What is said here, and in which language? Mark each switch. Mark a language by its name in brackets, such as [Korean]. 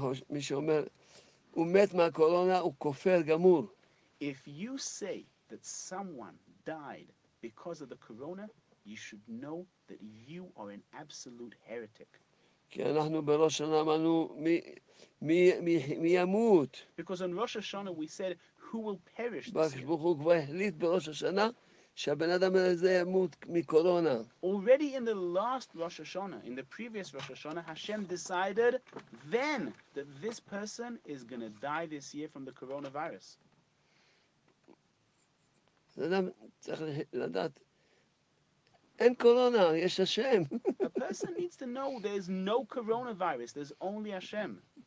[Hebrew] מי שאומר, הוא מת מהקורונה, הוא כופר גמור. [English] If you say that someone died because of the corona, you should know that you are an absolute heretic. Because on Rosh Hashanah we said, who will perish this year? Already in the last Rosh Hashanah, in the previous Rosh Hashanah, Hashem decided then that this person is going to die this year from the coronavirus. [Hebrew] אדם צריך לדעת, אין קורונה, יש השם. [English] A person needs to know there's no coronavirus, there's only Hashem.